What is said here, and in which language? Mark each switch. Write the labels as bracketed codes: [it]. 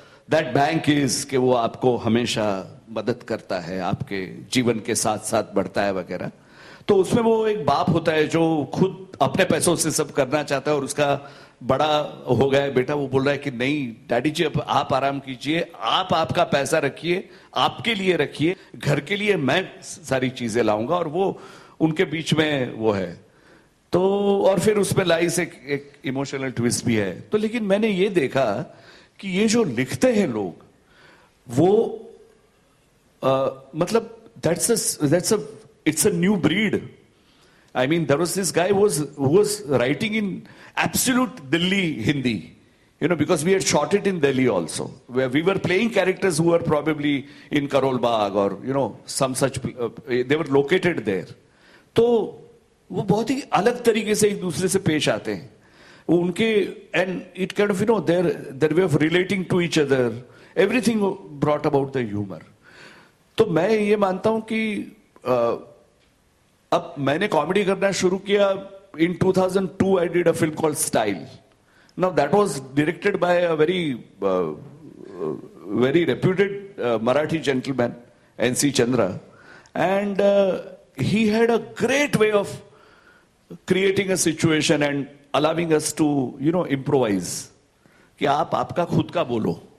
[en] that bank is [hi] के वो आपको हमेशा मदद करता है आपके जीवन के साथ साथ बढ़ता है वगैरह तो उसमें वो एक बाप होता है जो खुद अपने पैसों से सब करना चाहता है और उसका बड़ा हो गया है बेटा वो बोल रहा है कि नहीं डैडी जी अब आप आराम कीजिए आप आपका पैसा रखिए आपके लिए रखिए घर के लिए मैं सारी चीजें लाऊंगा और वो उनके बीच में वो है तो और फिर उसमें लाइस एक इमोशनल ट्विस्ट भी है तो लेकिन मैंने ये देखा कि ये जो लिखते हैं लोग वो मतलब [en] it's a new breed. I mean, there was this guy who was writing in absolute Delhi Hindi, because we had shot it in Delhi also, where we were playing characters who were probably in Karol Bagh or, some such, they were located there. [hi] So, wo bahut hi alag tarike se ek dusre se pesh aate hain. [en] Unke, and it kind of, their way of relating to each other, everything brought about the humor. [hi] So, main ye manta hun ki, अब मैंने comedy करना शुरू किया [en] in 2002 I did a film called Style now that was directed by a very very reputed Marathi gentleman N C Chandra and he had a great way of creating a situation and allowing us to improvise [hi] कि आप आपका खुद का बोलो